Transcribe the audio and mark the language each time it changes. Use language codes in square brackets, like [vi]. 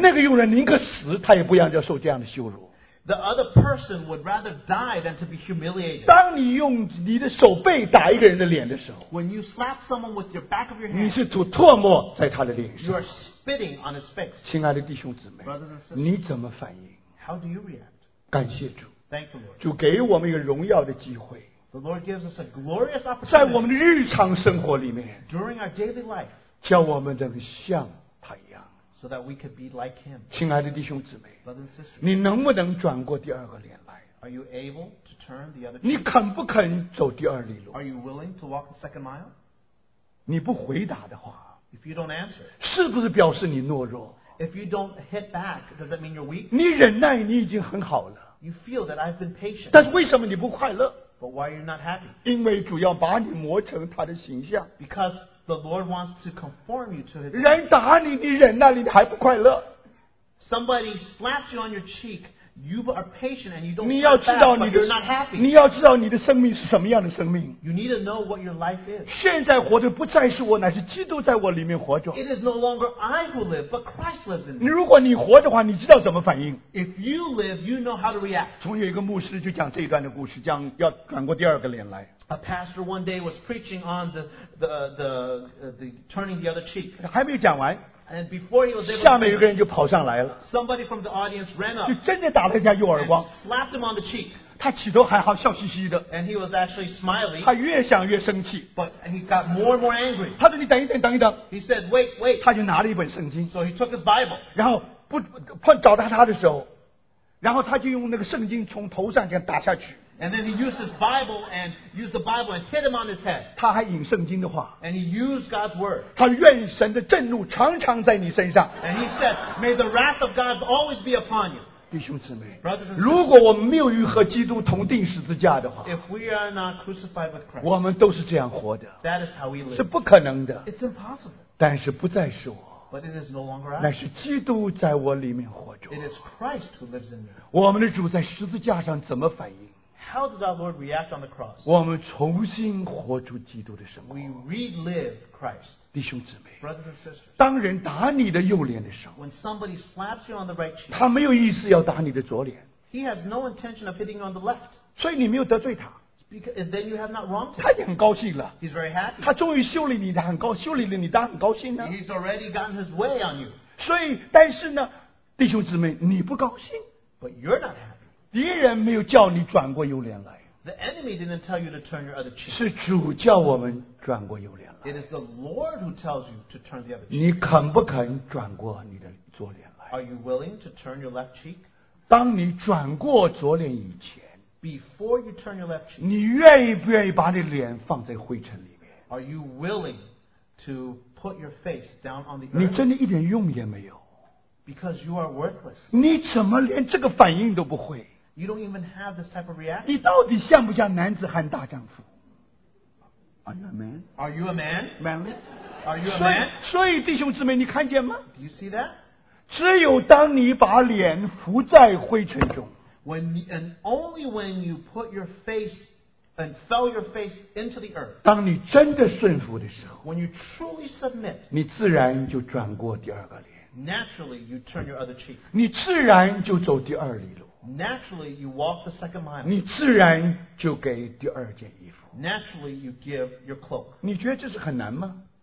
[zh] 那个用人宁可死, 他也不愿意受这样的羞辱。 [en] The other person would rather die than to be humiliated. [zh] 当你用你的手背打一个人的脸的时候, [en] when you slap someone with your back of your hand, [zh] 你是吐唾沫在他的脸上, [en] you are spitting on his face. [zh] 亲爱的弟兄姊妹, [en] brothers and sisters, [zh] 你怎么反应? [en] How do you react? [zh] 感谢主。 [en] Thank the Lord. [zh] 主给我们一个荣耀的机会。 [en] The Lord gives us a glorious opportunity. [zh] 在我们的日常生活里面, [en] during our daily life, [zh] 叫我们能像 [en] So that we could be like him. [zh] 亲爱的弟兄姊妹, [en] Brothers and sisters, [zh] 你能不能转过第二个脸来? [en] Are you able to turn the other [zh] cheek? 你肯不肯走第二里路? [en] Are you willing to walk the second mile? [zh] 你不回答的话, [en] If you don't answer, [zh] 是不是表示你懦弱? [en] If you don't hit back, does that mean you're weak? [zh] 你忍耐, 你已经很好了, [en] you feel that I've been patient. [zh] 但是为什么你不快乐? [en] But why are you not happy? [zh] 因为主要把你磨成他的形象。 [en] Because The Lord wants to conform you to His. [zh] 人打你，你忍耐，你还不快乐。 [en] Somebody slaps you on your cheek. You are patient and you don't. [zh] 你要知道你的, [en] but you're not happy. [zh] 你要知道你的生命是什么样的生命。 [en] You need to know what your life is. [zh] 现在活着不再是我, 乃是基督在我里面活着。 [en] It is no longer I who live, but Christ lives in me. [zh] 你如果你活着的话, 你知道怎么反应。 [en] If you live, you know how to react. [zh] 总有一个牧师就讲这一段的故事, 将要转过第二个脸来。 [en] A pastor one day was preaching on the turning the other cheek. [zh] 还没有讲完, [en] and before he was able to, [zh] 下面有个人就跑上来了, [en] somebody from the audience ran up, [zh] 就真的打了一下右耳光, [en] and slapped him on the cheek. [zh] 他起头还好, 笑嘻嘻的, [en] and he was actually smiling. [zh] 他越想越生气, [en] but he got more and more angry. [zh] 他说你等一等, [en] he said, wait, wait. [zh] 他就拿了一本圣经, [en] so he took his Bible. [zh] 然后找到他的时候, 然后他就用那个圣经从头上这样打下去, [en] And then he used his Bible and used the Bible and hit him on his head. [zh] 他还引圣经的话, [en] and he used God's word. [zh] 他愿神的震怒常常在你身上, [en] and he said, May the wrath of God always be upon you. [zh] 弟兄姊妹, [en] Brothers and sisters, [zh] 如果我们没有与基督同钉十字架的话, [en] if we are not crucified with Christ, [zh] 我们都是这样活的, [en] that is how we live. [zh] 是不可能的, [en] it's impossible. [zh] 但是不再是我, [en] but it is no longer I. [zh] 乃是基督在我里面活着, [en] it is Christ who lives in me. [zh] 我们的主在十字架上怎么反应? [en] How did our Lord react on the cross? [zh] 我们重新活出基督的生活。 [en] We relive Christ. [zh] 弟兄姊妹, [en] Brothers and sisters, [zh] 当人打你的右脸的时候, [en] when somebody slaps you on the right cheek, [zh] 他没有意思要打你的左脸, [en] he has no intention of hitting you on the left. [zh] 所以你没有得罪他。 [en] Because, and then you have not wronged him. [zh] 他也很高兴了。 [en] He's very happy. [zh] 他终于修理你的很高兴呢。 [en] He's already gotten his way on you. [zh] 所以但是呢, 弟兄姊妹, 你不高兴。 [en] But you're not happy. [zh] 敌人没有叫你转过右脸来, [en] the enemy didn't tell you to turn your other cheek. [zh] 是主叫我们转过右脸来, [en] it is the Lord who tells you to turn the other cheek. [zh] 你肯不肯转过你的左脸来? [en] Are you willing to turn your left cheek? [zh] 当你转过左脸以前, [en] Before you turn your left cheek, [zh] 你愿意不愿意把你脸放在灰尘里面? [en] Are you willing to put your face down on the earth? [zh] 你真的一点用也没有? [en] Because you are worthless. [zh] 你怎么连这个反应都不会? [en] You don't even have this type of reaction. [zh] 你到底像不像男子汉大丈夫? [en] Are you a man? Are you a man? Manly? Are you a man? [zh] 所以弟兄姊妹你看见吗? [en] Do you see that? [zh] 只有当你把脸伏在灰尘中, [en] when, and only when you put your face and fell your face into the earth, [zh] 当你真的顺服的时候, [en] when you truly submit, [zh] 你自然就转过第二个脸, [en] naturally you turn your other cheek, [zh] 你自然就走第二里路, [en] naturally you walk the second mile, [zh] 你自然就给第二件衣服, [en] naturally you give your cloak. [zh] 你觉得这是很难吗?